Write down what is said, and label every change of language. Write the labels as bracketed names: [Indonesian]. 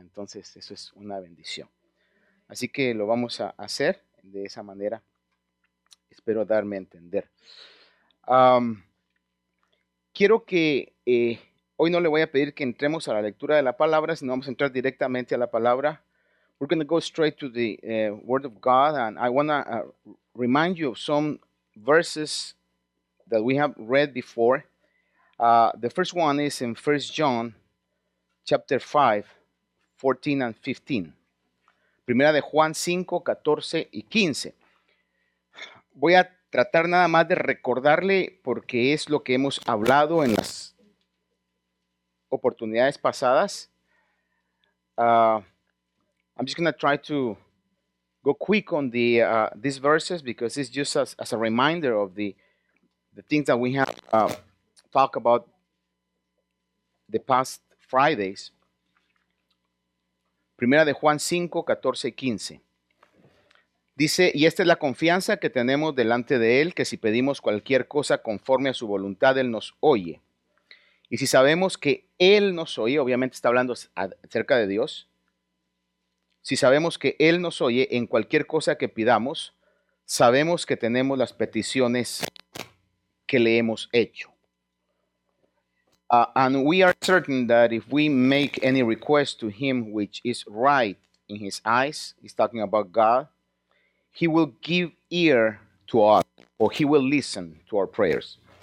[Spanish] Entonces eso es una bendición. Así que lo vamos a hacer de esa manera. Espero darme a entender. Quiero que hoy no le voy a pedir que entremos a la lectura de la palabra, sino vamos a entrar directamente a la palabra. [English] We're going to go straight to the Word of God, and I want to remind you of some verses that we have read before. The first one is in 1 John chapter 5, 14 and 15. [Spanish] Primera de Juan 5, 14 y 15. Voy a tratar nada más de recordarle porque es lo que hemos hablado en las oportunidades pasadas. [English] I'm just going to try to go quick on the these verses because it's just as a reminder of the things that we have talked about the past Fridays. [Spanish] Primera de Juan 5, 14 y 15. Dice, y esta es la confianza que tenemos delante de Él, que si pedimos cualquier cosa conforme a su voluntad, Él nos oye. Y si sabemos que Él nos oye, obviamente está hablando acerca de Dios. Si sabemos que Él nos oye en cualquier cosa que pidamos, sabemos que tenemos las peticiones que le hemos hecho. [English] And we are certain that if we make any request to Him which is right in His eyes, He's talking about God, He will give ear to us, or He will listen to our prayers.